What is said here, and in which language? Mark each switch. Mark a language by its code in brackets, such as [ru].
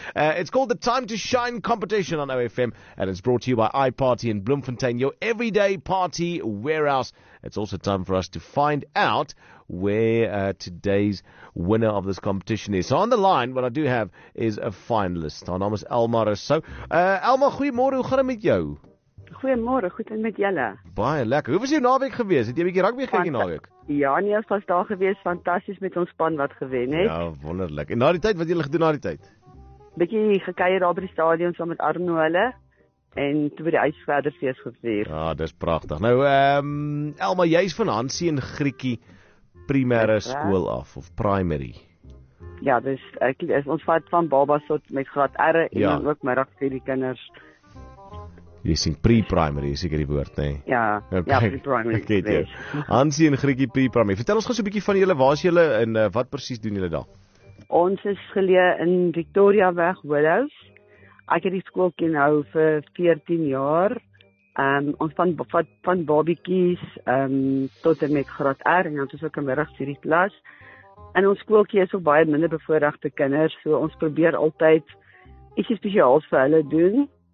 [en] It's called the Time to Shine competition on OFM, and it's brought to you by iParty in Bloemfontein, your everyday party warehouse. It's also time for us to find out where today's winner of this competition is. So on the line, what I do have is a finalist. [af] Haar naam is Elma Rousseau. Elma, goeiemôre, hoe gaan dit met jou? Goeiemôre, goed en met julle. Baie lekker. Hoe was jou naweek geweest? Het jy 'n bietjie rugby gekyk die naweek? Ja, nee, ons was daar geweest, fantasties met ons span wat gewen het. Ja, wonderlik. En na die tyd, wat julle gedoen na die tyd? Bietjie gekuier daar by die stadion saam met Arno hulle. En toe by die huis verder fees gevier. Ja, dis pragtig. Nou, Elma, jy's van Hansie en Griekie primêre skool af, of primary. Ja, dis, ons vat van babas tot met graad R en ja, ook middag vir die kinders. Jy sien pre-primary, is seker die woord, nee? Ja, okay. Ja, pre-primary. Okay, dit. Hansie en Griekie pre-primary. Vertel ons gou so 'n bietjie van julle, waar is julle en wat precies doen julle daar? Ons is geleë in Victoria weg, Willows. Ek het die skool ken nou vir 14 jaar. Ons van babiekies tot en met graad R, en ons is ook in middagstudie klas. En ons skoolkie is ook baie minder bevoorregte kinders, so ons probeer altyd ietsie spesiaals vir hulle doen.